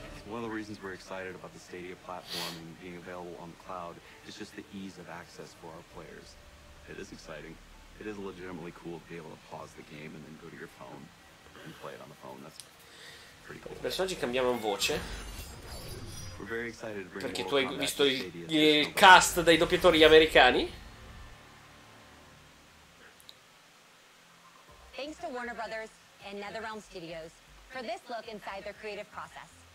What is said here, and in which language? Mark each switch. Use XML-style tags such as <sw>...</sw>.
<en>One of the reasons we're excited about the Stadia platform and being available on the cloud is just the ease of access for our players. It is exciting. It is legitimately cool to be able to pause the game and then go to your phone and play it on the phone. That's pretty cool.</en> <it>Personaggi cambiamo in voce.</it> <en>We're very excited to bring</en> <it>perché tu hai visto il cast dei doppiatori americani?</it> <en>Thanks to Warner Brothers and NetherRealm Studios for this look inside their creative process.</en>